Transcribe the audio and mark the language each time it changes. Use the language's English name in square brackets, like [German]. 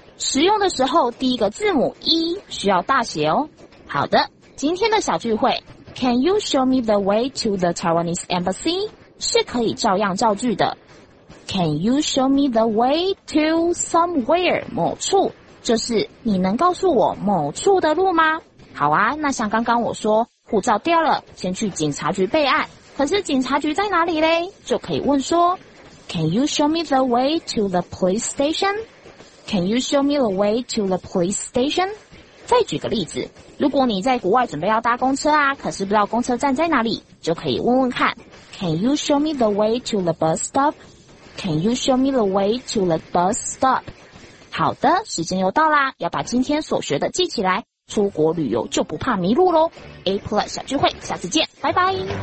[Chinese] 使用的时候，第一个字母 E 需要大写哦。好的，今天的小聚会 [English] ，Can you show me the way to the Taiwanese embassy? [Chinese] 是可以照样造句的。 [English] Can you show me the way to somewhere [Chinese] 某处？就是你能告诉我某处的路吗？好啊，那像刚刚我说，护照掉了，先去警察局备案。可是警察局在哪里嘞？就可以问说 [English] ，Can you show me the way to the police station? Can you show me the way to the police station? [Chinese] 再举个例子，如果你在国外准备要搭公车啊，可是不知道公车站在哪里，就可以问问看 ， [English] Can you show me the way to the bus stop? Can you show me the way to the bus stop? [Chinese] 好的，时间又到啦，要把今天所学的记起来，出国旅游就不怕迷路咯。 A Plus 小聚会，下次见，拜拜。